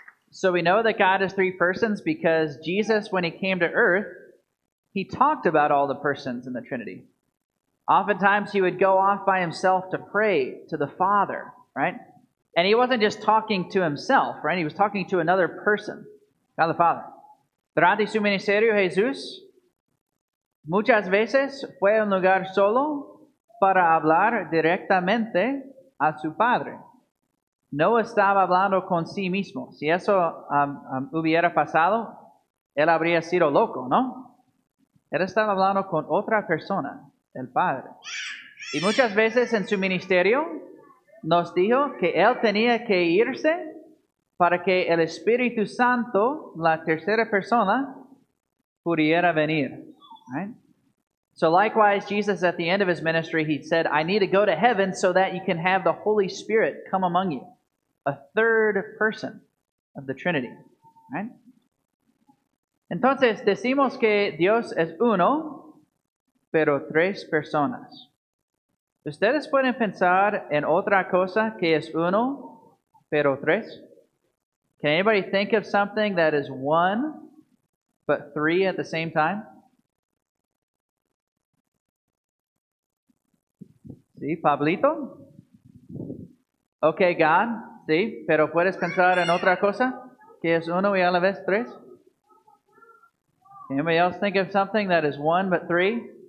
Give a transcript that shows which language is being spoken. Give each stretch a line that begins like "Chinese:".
English: So we know that God is three persons because Jesus, when He came to earth, He talked about all the persons in the Trinity. Oftentimes He would go off by Himself to pray to the Father, right? And He wasn't just talking to Himself, right? He was talking to another person, God the Father.
Spanish: Durante su ministerio, Jesús muchas veces fue a un lugar solo para hablar directamente a su Padre. No estaba hablando con sí mismo. Si eso hubiera pasado, Él habría sido loco, ¿no? Él estaba hablando con otra persona, el Padre. Y muchas veces en su ministerio nos dijo que Él tenía que irse para que el Espíritu Santo, la tercera persona, pudiera venir.
English: Right? So likewise, Jesus, at the end of His ministry, He said, I need to go to heaven so that you can have the Holy Spirit come among you. A third person of the Trinity. Right?
Spanish: Entonces, decimos que Dios es uno, pero tres personas. ¿Ustedes pueden pensar en otra cosa que es uno, pero tres?
English: Can anybody think of something that is one, but three at the same time?
Spanish: ¿Sí, Pablito? Okay, God. ¿Sí? ¿Pero puedes pensar en otra cosa que es uno y a la vez tres?
English: Anybody else think of something that is one but three?